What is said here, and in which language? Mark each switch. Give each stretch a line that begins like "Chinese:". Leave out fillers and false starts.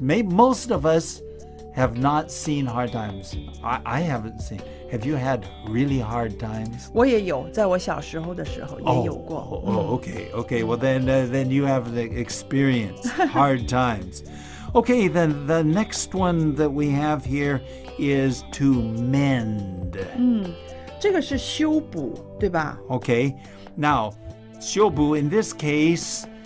English: Maybe most of us have not seen hard times. I haven't seen. Have you had really hard times?
Chinese: 我也有，在我小时候的时候也有过。
English: Okay. Well, then you have the experience, hard times. Okay, then the next one that we have here is to mend.
Chinese: 这个是修补，对吧？
English: Okay, now, 修补 in this case,